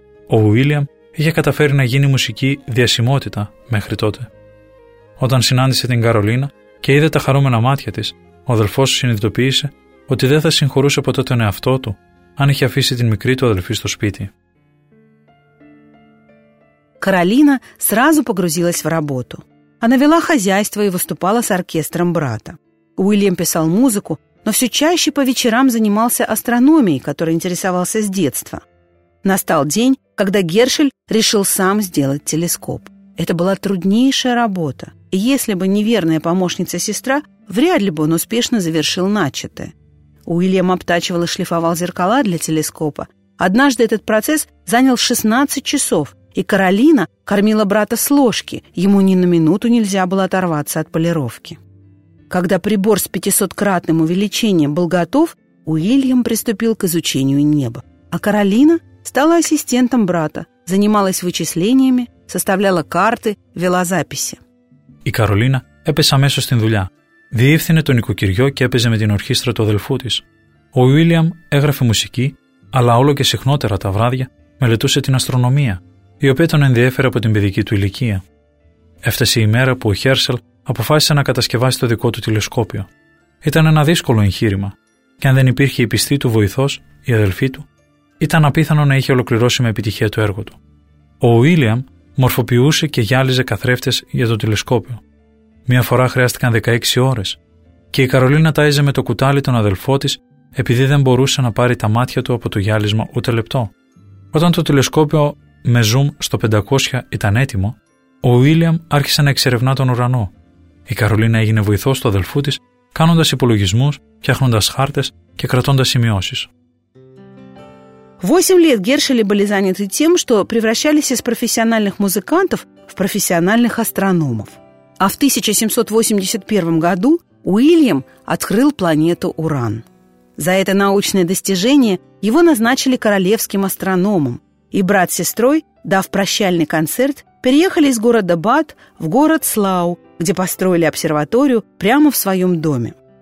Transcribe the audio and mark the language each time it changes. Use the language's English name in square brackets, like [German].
[Greek] Ο Ουίλιαμ είχε καταφέρει να γίνει μουσική διασημότητα μέχρι τότε. Όταν συνάντησε την Καρολίνα και είδε τα χαρούμενα μάτια της, ο αδελφός συνειδητοποίησε ότι δεν θα συγχωρούσε ποτέ τον εαυτό του αν είχε αφήσει την μικρή του αδελφή στο σπίτι. [Russian] Каролина сразу погрузилась в работу. Она вела хозяйство и выступала с оркестром брата. Уильям писал музыку, но все чаще по вечерам занимался астрономией, которой интересовался с детства. Настал день, когда Гершель решил сам сделать телескоп. Это была труднейшая работа. Если бы не верная помощница-сестра, вряд ли бы он успешно завершил начатое. Уильям обтачивал и шлифовал зеркала для телескопа. Однажды этот процесс занял 16 часов, и Каролина кормила брата с ложки. Ему ни на минуту нельзя было оторваться от полировки. Когда прибор с 500-кратным увеличением был готов, Уильям приступил к изучению неба. А Каролина стала ассистентом брата, занималась вычислениями, составляла карты, вела записи. И [Greek] Каролина έπεσε αμέσως στην δουλειά. Διεύθυνε το νοικοκυριό και έπαιζε με την ορχήστρα του αδελφού της. Ο Βίλιαμ έγραφε μουσική, αλλά όλο και συχνότερα τα βράδια μελετούσε την αστρονομία, η οποία τον ενδιέφερε από την παιδική του ηλικία. Έφτασε η μέρα που ο Χέρσελ αποφάσισε να κατασκευάσει το δικό του τηλεσκόπιο. Ήταν ένα δύσκολο εγχείρημα, και αν δεν υπήρχε η πιστή του βοηθός, η αδελφή του, ήταν απίθανο να είχε ολοκληρώσει με επιτυχία το έργο του. Ο Βίλιαμ μορφοποιούσε και γυάλιζε καθρέφτες για το τηλεσκόπιο. Μία φορά χρειάστηκαν 16 ώρες και η Καρολίνα τάιζε με το κουτάλι τον αδελφό της επειδή δεν μπορούσε να πάρει τα μάτια του από το γυάλισμα ούτε λεπτό. Όταν το τηλεσκόπιο με zoom στο 500 ήταν έτοιμο, ο Βίλιαμ άρχισε να εξερευνά τον ουρανό. Η Καρολίνα έγινε βοηθός του αδελφού της, κάνοντας υπολογισμούς, φτιάχνοντας χάρτες και κρατώντας σημειώσεις. [Russian] 8 лет Гершель были заняты тем, что превращались из профессиональных музыкантов в профессиональных астрономов. А в 1781 году Уильям открыл планету Уран. За это научное достижение его назначили королевским астрономом, и брат с сестрой, дав прощальный концерт, переехали из города Бат в город Слау, где построили обсерваторию прямо в своем доме.